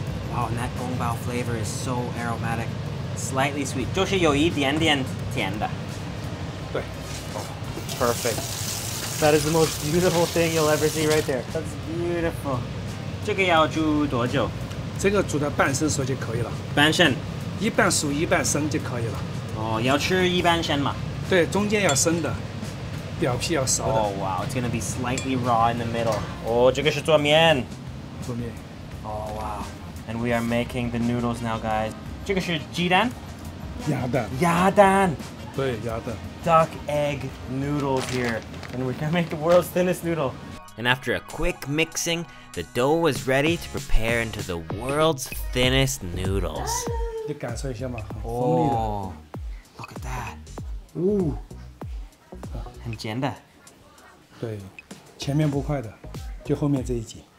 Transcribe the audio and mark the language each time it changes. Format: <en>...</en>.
<en>Wow, and that gong bao flavor is so aromatic. Slightly sweet.</en> <zh>就是有一点点甜的. 对.</zh> <en>Perfect. That is the most beautiful thing you'll ever see right there. That's beautiful.</en> <zh>这个要煮多久？这个煮到半生熟就可以了。半生？一半熟一半生就可以了。哦，要吃一半生嘛？对，中间要生的，表皮要熟的。</zh> <en>Oh wow, it's gonna be slightly raw in the middle.</en> <zh>哦，这个是做面。做面。</zh> <en>Oh wow. And we are making the noodles now, guys.</en> <zh>这个是鸡蛋？鸭蛋。鸭蛋。对，鸭蛋。</zh> <en>Duck egg noodles here, and we're gonna make the world's thinnest noodle. And after a quick mixing, the dough was ready to prepare into the world's thinnest noodles.</en> <zh>你感受一下嘛，很锋利的。</zh> <en>Oh, look at that. Ooh,</en> <zh>很尖的。对，前面不快的，就后面这一节。</zh>